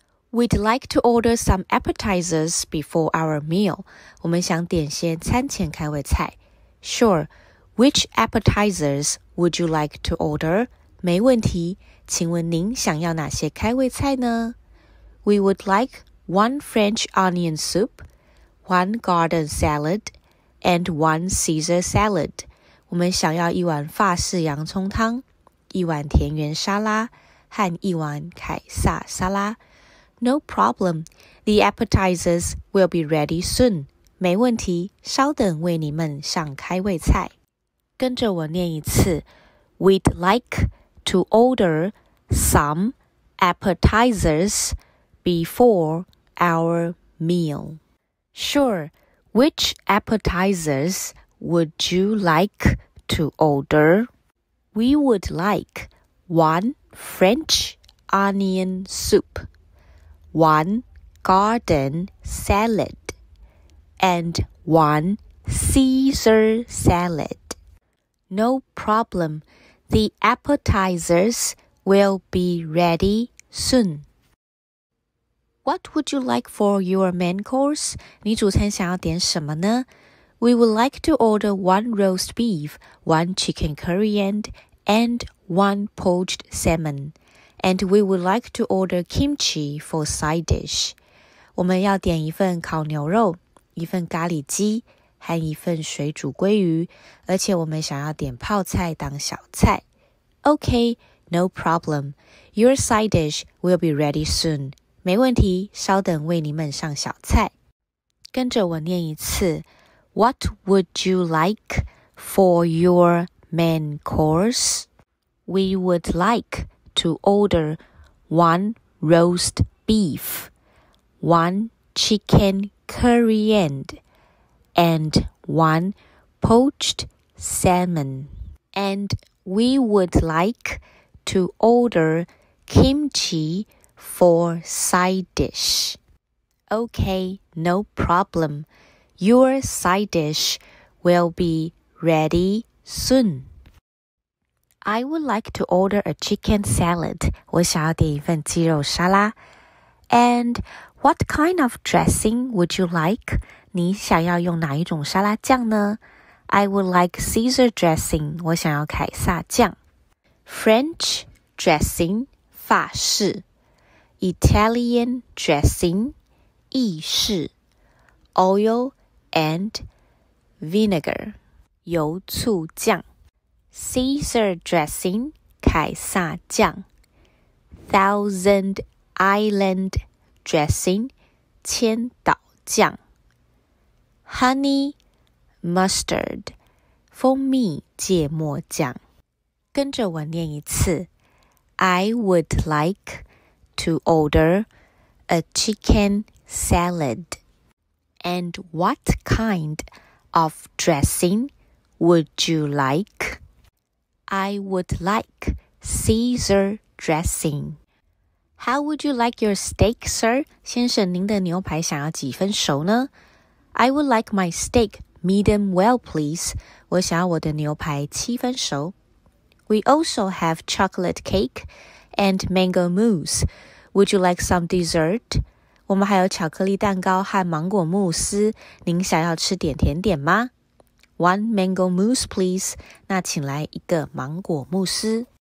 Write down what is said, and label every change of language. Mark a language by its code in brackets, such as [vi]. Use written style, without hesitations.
[en] We'd like to order some appetizers before our meal. [zh] 我们想点些餐前开胃菜。 [en] Sure, which appetizers would you like to order? [zh] 没问题，请问您想要哪些开胃菜呢？ [en] We would like 1 French onion soup, 1 garden salad, and 1 Caesar salad. [zh] 我们想要一碗法式洋葱汤，一碗田园沙拉，和一碗凯撒沙拉。 [en] No problem. The appetizers will be ready soon. [zh] 没问题，稍等为你们上开胃菜。跟着我念一次。 [en] We'd like to order some appetizers before our meal. Sure. Which appetizers would you like to order? We would like 1 French onion soup. 1 garden salad and 1 Caesar salad. No problem. The appetizers will be ready soon. What would you like for your main course? [zh] 你主餐想要点什么呢? [en] We would like to order 1 roast beef, 1 chicken curry end, and 1 poached salmon. And we would like to order kimchi for side dish. [zh] 我们要点一份烤牛肉，一份咖喱鸡，和一份水煮鲑鱼，而且我们想要点泡菜当小菜。 [en] Okay, no problem. Your side dish will be ready soon. [zh] 没问题，稍等为你们上小菜。跟着我念一次。 [en] What would you like for your main course? We would like... to order 1 roast beef, 1 chicken curry end, and 1 poached salmon. And we would like to order kimchi for side dish. Okay, no problem. Your side dish will be ready soon. I would like to order a chicken salad. [zh] 我想要点一份鸡肉沙拉。 [en] And what kind of dressing would you like? [zh] 你想要用哪一种沙拉酱呢? [en] I would like Caesar dressing. [zh] 我想要凯撒酱。 [en] French dressing, 法式。Italian dressing, 意式。Oil and vinegar. 油醋酱 Caesar dressing 凯撒酱 Thousand Island dressing 千岛酱 Honey mustard [zh] 蜂蜜芥末酱跟着我念一次 [en] I would like to order a chicken salad And what kind of dressing would you like? I would like Caesar dressing. How would you like your steak, sir? [zh] 先生，您的牛排想要几分熟呢？ [en] I would like my steak medium well, please. [zh] 我想要我的牛排七分熟。 [en] We also have chocolate cake and mango mousse. Would you like some dessert? [zh] 我们还有巧克力蛋糕和芒果慕斯，您想要吃点甜点吗 ？ [en] One mango mousse, please. [zh] 那请来一个芒果慕斯。